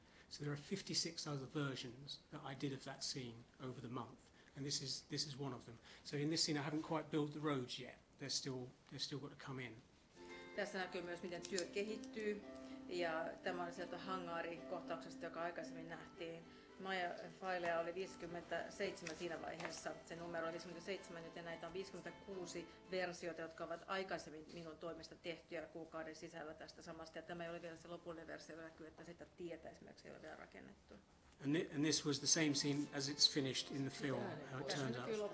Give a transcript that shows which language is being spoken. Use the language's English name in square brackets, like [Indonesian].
[English] So there are 56 other versions that I did of that scene over the month. And this is one of them. So in this scene, I haven't quite built the roads yet. They're still got to come in. [Finnish] Tässä näkyy myös, miten työ kehittyy. Ja tämä oli sieltä hangaarikohtauksesta, joka aikaisemmin nähtiin. Maya Fileja oli 57 siinä vaiheessa. Se numero oli 57, joten näitä on 56 versiota, jotka ovat aikaisemmin minun toimesta tehtyjä kuukauden sisällä tästä samasta. Ja tämä ei ole vielä se lopullinen versio, joka näkyy, että sitä tietä esimerkiksi ei ole vielä rakennettu. [English] And this was the same scene as it's finished in the film, how it turned out.